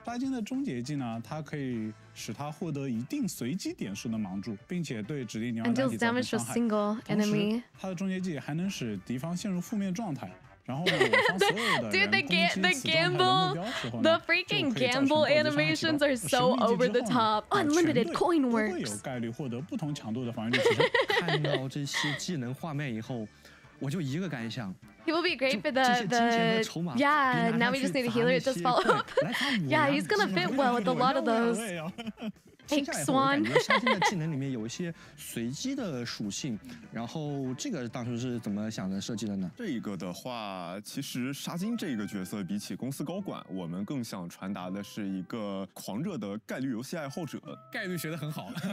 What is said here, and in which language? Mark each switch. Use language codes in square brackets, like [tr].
[zh] 沙金的终结技呢，他可以。使他获得一定随机点数的盲注，并且对指定牛蛙单体造成伤害。 [en] Single enemy. [zh] 同时，他的终结技还能使敌方陷入负面状态。然后呢，我方所有的人攻击此状态的目标时候呢，就可以造成暴击伤害。 [en] The freaking gamble animations are so over the top. Unlimited coin works. [zh] 全队都会有概率获得不同强度的防御力提升。看到这些技能画面以后，我就一个感想。 [en] He will be great for the yeah, now we just need a healer at this follow up. Yeah, he's gonna fit well with a lot of those. Thanks, Swan. [zh] 沙金的技能里面有一些随机的属性，然后这个当初是怎么想的设计的呢？这个的话，其实沙金这个角色比起公司高管，我们更想传达的是一个狂热的概率游戏爱好者。概率学得很好。